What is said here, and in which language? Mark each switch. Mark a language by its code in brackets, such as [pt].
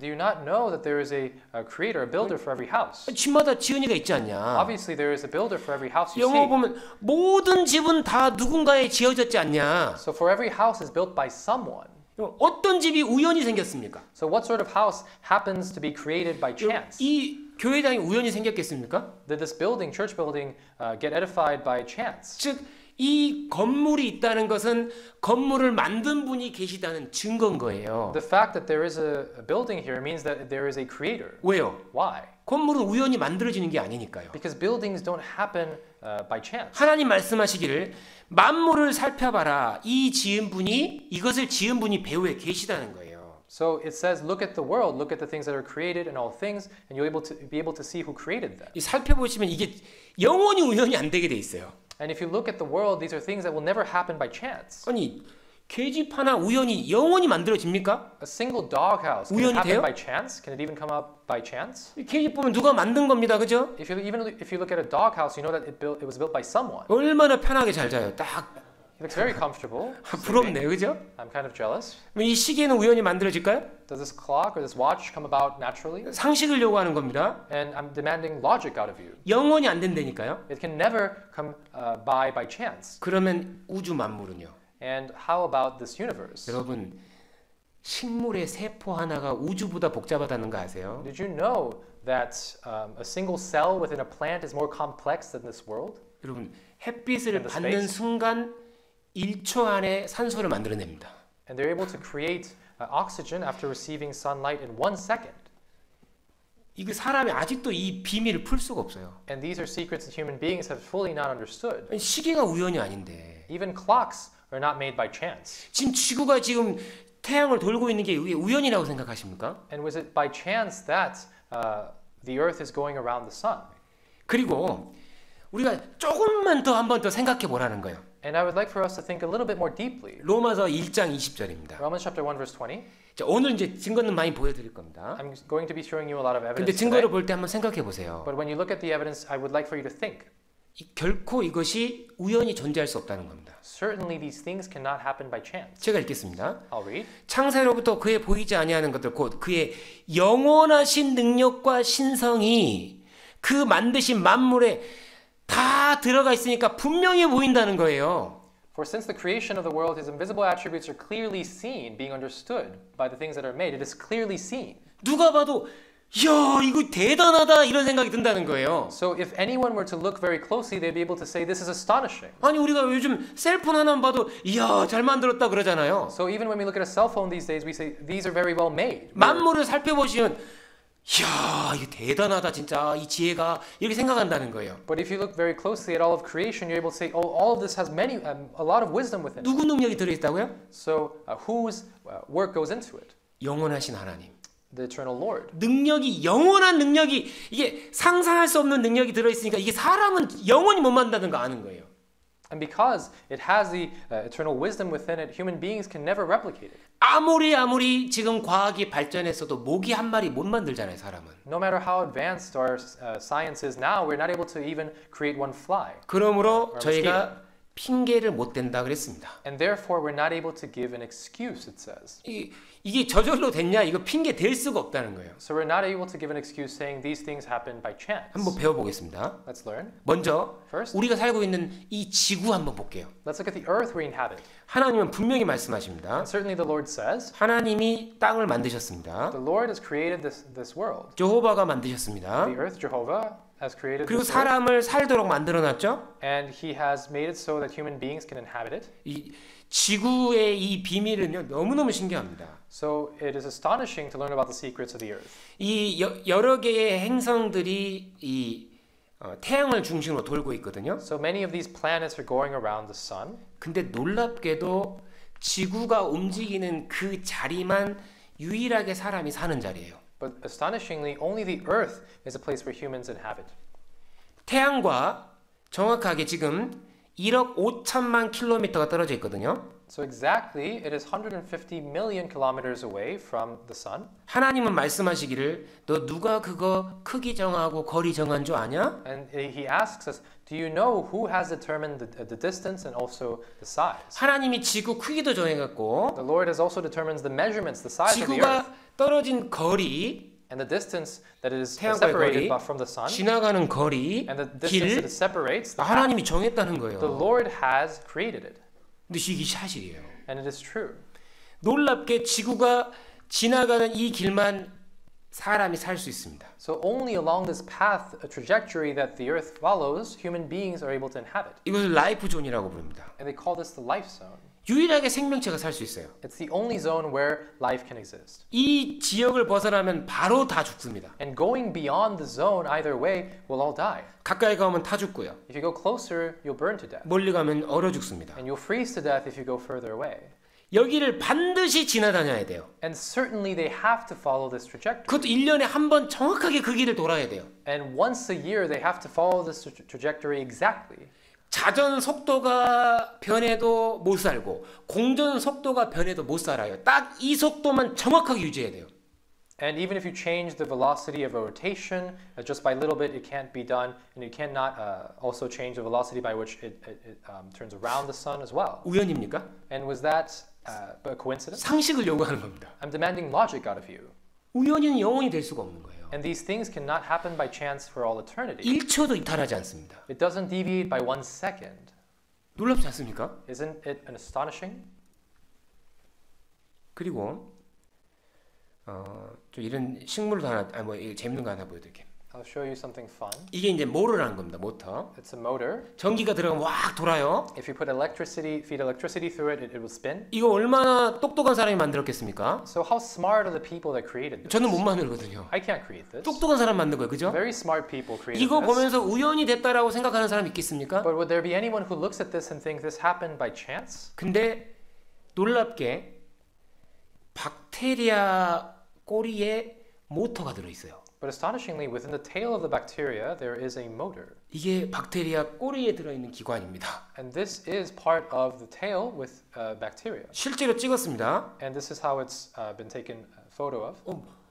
[en] Do you not know that there is a creator, a builder for every house? [ko] 집마다 지은이가 있지 않냐? [en] Obviously there is a builder for every house you [ko] 영어 [en] see. [ko] 보면 모든 집은 다 누군가에 지어졌지 않냐? [en] So for every house is built by someone. [ko] 어떤 집이 우연히 생겼습니까? [en] So what sort of house happens to be created by chance? [ko] 이 교회당이 우연히 생겼겠습니까? [en] Did this building, church building, get edified by chance? [ko] 즉 이 건물이 있다는 것은 건물을 만든 분이 계시다는 증거인 거예요. [en] The fact that there is a building here means that there is a creator. [ko] 왜요? [en] Why? [ko] 건물은 우연히 만들어지는 게 아니니까요. [en] Because buildings don't happen by chance. [ko] 하나님 말씀하시기를 만물을 살펴봐라. 이 지은 분이 이것을 지은 분이 배후에 계시다는 거예요. [en] So it says, look at the world, look at the things that are created and all things, and you'll be able to see who created them. [ko] 이 살펴보시면 이게 영원히 우연히 안 되게 돼 있어요. [en] And if you look at the world, these are things that will never happen by chance. [ko] 아니, 계집 하나 우연히 영원히 만들어집니까? [en] A single doghouse, can it happen by chance? Can it even come up by chance? [ko] 계집 보면 누가 만든 겁니다, 그죠? [en] If you look at a doghouse, you know that it was built by someone. [ko] 얼마나 편하게 잘 자요, 딱. [en] It looks very comfortable. [ko] 부럽네, 그죠? [en] I'm kind of jealous. [ko] 이 시계는 우연히 만들어질까요? [en] Does this clock or this watch come about naturally? [ko] 상식을 요구하는 겁니다. [en] And I'm demanding logic out of you. [ko] 영원히 안 된다니까요. [en] It can never come by chance. [ko] 그러면 우주 만물은요? [en] And how about this universe? [ko] 여러분, 식물의 세포 하나가 우주보다 복잡하다는 거 아세요? [en] Did you know that a single cell within a plant is more complex than this world? [ko] 여러분, 햇빛을 받는 순간 1초 안에 산소를 만들어냅니다. [en] And they're able to create oxygen after receiving sunlight in 1 second. [ko] 이거 사람이 아직도 이 비밀을 풀 수가 없어요. [en] And these are secrets that human beings have fully not understood. [ko] 시계가 우연이 아닌데. [en] Even clocks are not made by chance. [ko] 지금 지구가 지금 태양을 돌고 있는 게 우연이라고 생각하십니까? [en] And was it by chance that the earth is going around the sun? [ko] 그리고 우리가 조금만 더 한 번 더 생각해 보라는 거예요. [en] And I would like for us to think a little bit more deeply. [ko] 로마서 1장 20절입니다. [en] Romans chapter 1 verse 20. [ko] 자, 오늘 이제 증거는 많이 보여 드릴 겁니다. [en] I'm going to be showing you a lot of evidence. [ko] 근데 증거를 볼 때 한번 생각해 보세요. [en] But when you look at the evidence, I would like for you to think. [ko] 결코 이것이 우연히 존재할 수 없다는 겁니다. [en] Certainly these things cannot happen by chance. [ko] 제가 읽겠습니다. [en] I'll read. [ko] 창세로부터 그의 보이지 아니하는 것들 곧 그의 영원하신 능력과 신성이 그 만드신 만물에 다 들어가 있으니까 분명히 보인다는 거예요. [en] For since the creation of the world, his invisible attributes are clearly seen, being understood by the things that are made. It is clearly seen. [ko] 누가 봐도 야 이거 대단하다 이런 생각이 든다는 거예요. [en] So if anyone were to look very closely, they'd be able to say this is astonishing. [ko] 아니 우리가 요즘 셀폰 하나만 봐도 야 잘 만들었다 그러잖아요. [en] So even when we look at a cell phone these days, we say these are very well made. [ko] 만물을 살펴보시면 이야, 이거 대단하다 진짜 이 지혜가 이렇게 생각한다는 거예요. [en] But if you look very closely at all of creation, you're able to say, oh, all of this has many, a lot of wisdom within it. [ko] 누구 능력이 들어있다고요? [en] So whose work goes into it? [ko] 영원하신 하나님. [en] The eternal Lord. [ko] 능력이 영원한 능력이 이게 상상할 수 없는 능력이 들어있으니까 이게 사람은 영원히 못 만든다는 거 아는 거예요. [en] And because it has the eternal wisdom within it, human beings can never replicate it. [ko] 아무리 지금 과학이 발전했어도 모기 한 마리 못 만들잖아요, 사람은. [en] No matter how advanced our science is now, we're not able to even create one fly. [ko] 그러므로 저희가 핑계를 못 댄다 그랬습니다. [en] And therefore we're not able to give an excuse, it says. [ko] 이게 저절로 됐냐? 이거 핑계 댈 수가 없다는 거예요. [en] So we're not able to give an excuse saying these things happen by chance. [ko] 한번 배워보겠습니다. [en] Let's learn. [ko] 먼저 [en] First, [ko] 우리가 살고 있는 이 지구 한번 볼게요. [en] Let's look at the earth we inhabit. [ko] 하나님은 분명히 말씀하십니다. [en] And certainly the Lord says. [ko] 하나님이 땅을 만드셨습니다. [en] The Lord has created this world. [ko] 여호와가 만드셨습니다. [en] The earth, Jehovah. [ko] 그리고 사람을 살도록 만들어 놨죠? [en] And he has made it so that human beings can inhabit it. [ko] 이 지구의 이 비밀은요, 너무너무 신기합니다. [en] So it is astonishing to learn about the secrets of the earth. [ko] 이 여러 개의 행성들이 이 태양을 중심으로 돌고 있거든요. [en] So many of these planets are going around the sun. [ko] 근데 놀랍게도 지구가 움직이는 그 자리만 유일하게 사람이 사는 자리예요. [en] But astonishingly, only the Earth is a place where humans inhabit. [ko] 태양과 정확하게 지금 1억 5천만 킬로미터가 떨어져 있거든요. [en] So exactly, it is 150 million kilometers away from the Sun. [ko] 하나님은 말씀하시기를, 너 누가 그거 크기 정하고 거리 정한 줄 아냐? [en] And he asks us, do you know who has determined the distance and also the size? [ko] 하나님이 지구 크기도 정해갖고. [en] The Lord has also determined the measurements, the size of the Earth. [ko] 떨어진 거리, [en] and the distance that it is separated from the sun, [ko] 지나가는 거리, [en] and the distance that it separates, [ko] 하나님이 정했다는 거예요. [en] The Lord has created it. [ko] 근데 이게 사실이에요. [en] And it is true. [ko] 놀랍게 지구가 지나가는 이 길만 사람이 살 수 있습니다. [en] So only along this path, a trajectory that the Earth follows, human beings are able to inhabit. [ko] 이것을 라이프 존이라고 부릅니다. [en] And they call this the life zone. [ko] 유일하게 생명체가 살 수 있어요. [en] It's the only zone where life can exist. [ko] 이 지역을 벗어나면 바로 다 죽습니다. [en] And going beyond the zone either way, we'll all die. [ko] 가까이 가면 다 죽고요. [en] If you go closer, you'll burn to death. [ko] 멀리 가면 얼어 죽습니다. [en] And you'll freeze to death if you go further away. [ko] 여기를 반드시 지나다녀야 돼요. [en] And certainly they have to follow this trajectory. [ko] 그것도 1년에 한 번 정확하게 그 길을 돌아야 돼요. [en] And once a year they have to follow this trajectory exactly. [ko] 자전 속도가 변해도 못 살고 공전 속도가 변해도 못 살아요. 딱 이 속도만 정확하게 유지해야 돼요. [en] And even if you change the velocity of a rotation just by a little bit, it can't be done, and you cannot also change the velocity by which it turns around the sun as well. [ko] 우연입니까? [en] And was that a coincidence? [ko] 상식을 요구하는 겁니다. [en] I'm demanding logic out of you. [ko] 우연은 영원히 될 수가 없는 거예요. [en] And these things cannot happen by chance for all eternity. [ko] 1초도 이탈하지 않습니다. [en] It doesn't deviate by one second. [ko] 놀랍지 않습니까? [en] Isn't it an astonishing? [ko] 그리고 좀 이런 식물도 하나, 아니 뭐 재밌는 거 하나 보여드릴게요. [en] I'll show you something fun. [ko] 이게 이제 모터라는 겁니다. 모터. [en] It's a motor. [ko] 전기가 들어가면 확 돌아요. [en] If you put electricity, feed electricity through it, it will spin. [ko] 이거 얼마나 똑똑한 사람이 만들었겠습니까? [en] So how smart are the people that created this? [ko] 저는 못 만들거든요. [en] I can't create this. [ko] 똑똑한 사람 만든 거예요, 그죠? [en] Very smart people created this. [ko] 이거 보면서 [en] this. [ko] 우연이 됐다라고 생각하는 사람 있겠습니까? [en] But would there be anyone who looks at this and thinks this happened by chance? [ko] 근데 놀랍게 박테리아 꼬리에 모터가 들어 있어요. [en] But astonishingly, within the tail of the bacteria, there is a motor. [ko] 이게 박테리아 꼬리에 들어 있는 기관입니다. [en] And this is part of the tail with bacteria. [ko] 실제로 찍었습니다. [en] And this is how it's been taken photo of.